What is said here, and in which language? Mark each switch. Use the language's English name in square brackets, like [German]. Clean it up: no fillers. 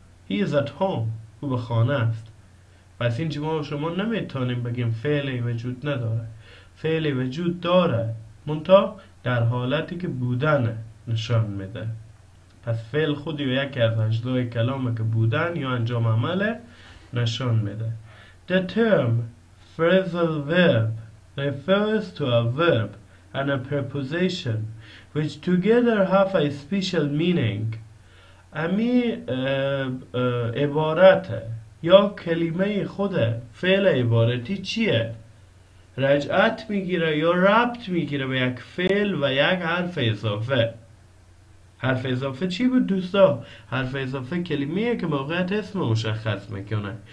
[English] he is at home، [Persian] او به خانه است. پس اینجا ما و شما نمیتونیم بگیم فعلی وجود نداره. فعلی وجود داره، منتها در حالتی که بودن نشان میده. پس فعل خودی و یکی از اجزای کلامه که بودن یا انجام عمله نشان میده. [English] The term phrasal verb refers to a verb and a preposition which together have a special meaning. [Persian] امی عبارته یا کلمه خود فعل عبارتی چیه؟ رجعت میگیره یا ربط میگیره به یک فعل و یک حرف اضافه. حرف اضافه چی بود دوستا؟ حرف اضافه کلمه‌ایه که موقعیت اسم مشخص میکنه.